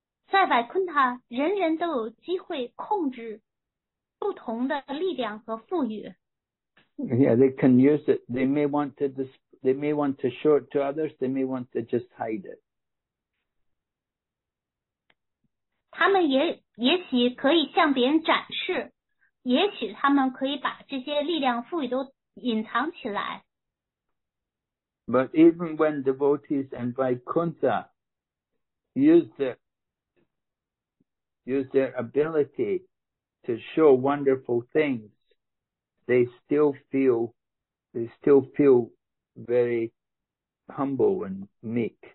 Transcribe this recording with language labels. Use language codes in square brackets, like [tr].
[zh] 在百昆塔，人人都有机会控制不同的力量和富裕。 [en] Yeah, they can use it. They may want to show it to others. They may want to just hide it. [zh] 他他们也许可以向别人展示，也许他们可以把这些力量赋予都隐藏起来。 [en] But even when devotees and Vaikuntha use their ability to show wonderful things, they still feel very humble and meek.